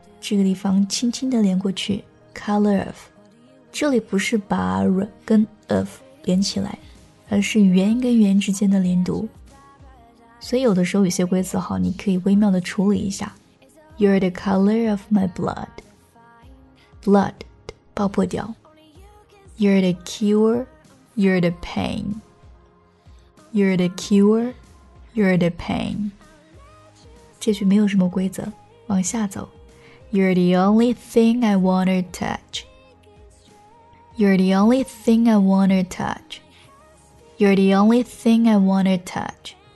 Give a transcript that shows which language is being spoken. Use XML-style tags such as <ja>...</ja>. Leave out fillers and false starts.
<zh>这个地方轻轻地连过去</zh> <en>Color of，</en> <zh>这里不是把 r 跟 of 连起来，而是圆跟圆之间的连读，所以有的时候有些规则好，你可以微妙地处理一下。</zh> <en>You're the color of my blood. Blood</en> <zh>爆破掉。</zh> <en>You're the cure, you're the pain. You're the cure, you're the pain.</en> <zh>这句没有什么规则，往下走。</zh> <en>You're the only thing I wanna touch. You're the only thing I wanna touch. You're the only thing I wanna touch.</en>